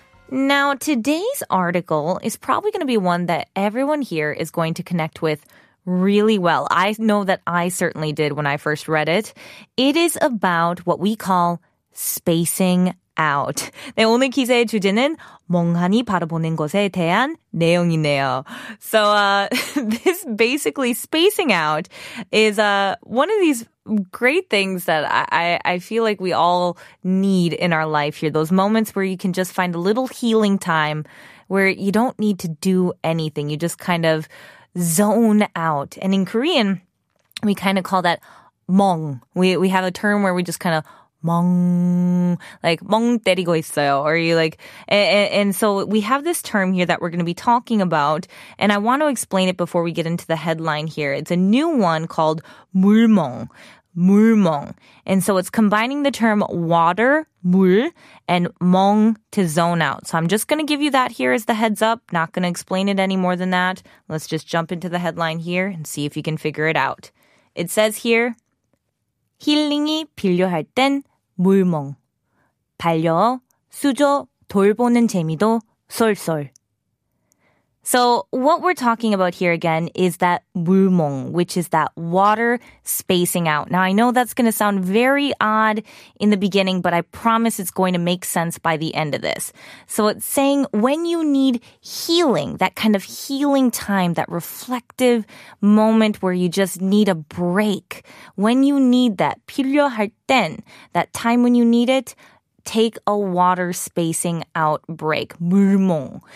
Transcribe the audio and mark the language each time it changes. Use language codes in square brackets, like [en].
[en] Now, today's article is probably going to be one that everyone here is going to connect with really well. I know that I certainly did when I first read it. It is about what we call spacing out. [ko] 네, 오늘 기사의 주제는 멍하니 바라보는 것에 대한 내용이네요. [en] So, this basically spacing out is one of these great things that I feel like we all need in our life here. Those moments where you can just find a little healing time where you don't need to do anything. You just kind of zone out. And in Korean, we kind of call that 멍. We have a term where we just kind of 멍, like [ko] 멍 때리고 있어요. [en] Or you like, and so we have this term here that we're going to be talking about. And I want to explain it before we get into the headline here. It's a new one called 물멍. 물멍. And so it's combining the term water, 물, and 멍 to zone out. So I'm just going to give you that here as the heads up. Not going to explain it any more than that. Let's just jump into the headline here and see if you can figure it out. [ko] It says here, 힐링이 필요할 땐 물멍. 반려, 수조, 돌보는 재미도 솔솔. [en] So what we're talking about here again is that 물멍, which is that water spacing out. Now, I know that's going to sound very odd in the beginning, but I promise it's going to make sense by the end of this. So it's saying when you need healing, that kind of healing time, that reflective moment where you just need a break, when you need that [ko] 필요할 땐, [en] that time when you need it, take a water spacing out break, 물멍.